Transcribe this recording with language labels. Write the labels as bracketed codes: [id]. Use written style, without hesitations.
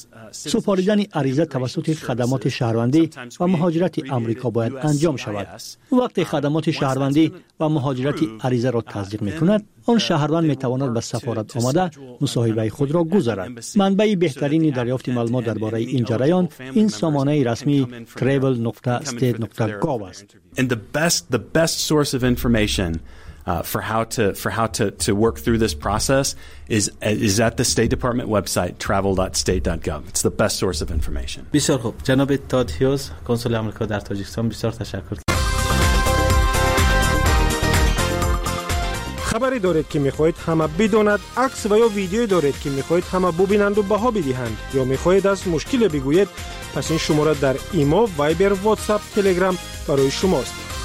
[fa] سپاریدن عریضه توسط خدمات شهروندی و مهاجرت آمریکا باید انجام شود. وقتی خدمات شهروندی و مهاجرت عریضه را تصدیق می کند، آن شهروند می تواند به سفارت آمده مصاحبه خود را گذارد. منبع بهترین دریافت معلومات درباره این جریان این سامانه رسمی travel.state.gov است. [en] And the best source of information for how to work through this process is at the State Department website travel.state.gov. It's the best source of information. [fa] بسیار خوب. جناب تاد هیوز، کنسول آمریکا در تاجیکستان، بسیار تشکر. خبری دارید که میخواهید همه بدونند؟ عکس و یا ویدیو دارید که میخواهید همه ببینند و بها بدهند؟ یا میخواهید از مشکل بگویید؟ پس این شماره در ایمو، وایبر، واتساپ، تلگرام برای شماست.